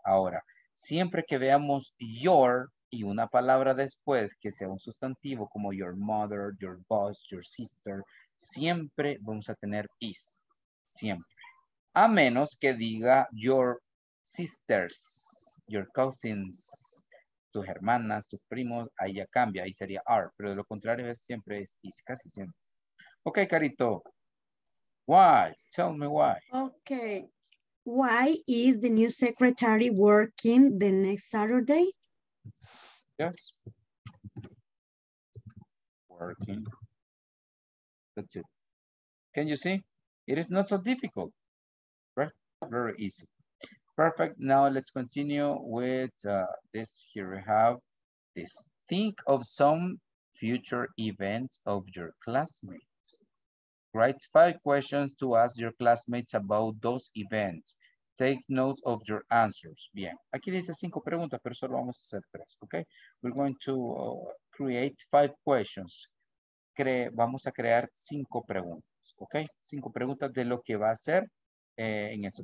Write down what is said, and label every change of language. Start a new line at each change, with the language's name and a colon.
Spanish: Ahora, siempre que veamos your y una palabra después que sea un sustantivo como
English: your mother, your boss, your sister,
Spanish: siempre vamos a tener is. Siempre. A menos que diga
English: your sisters, your cousins,
Spanish: tus hermanas, tus primos, ahí ya cambia, ahí sería are. Pero de lo contrario, siempre es is, casi siempre.
English: Ok, Carito. Why? Tell me why. Okay. Why is the new secretary working the next Saturday? Yes. Working. That's it. Can you see? It is not so difficult. Right? Very easy. Perfect. Now let's continue with this. Here we have this. Think of some future events of your classmates. Write 5 questions to ask your classmates about those events. Take note of your answers. Bien.
Spanish: Aquí dice 5 preguntas, pero solo vamos a hacer 3. Okay.
English: We're going to create 5 questions.
Spanish: Vamos a crear 5 preguntas. preguntas, ¿ok? Cinco preguntas de lo que va a ser en eso.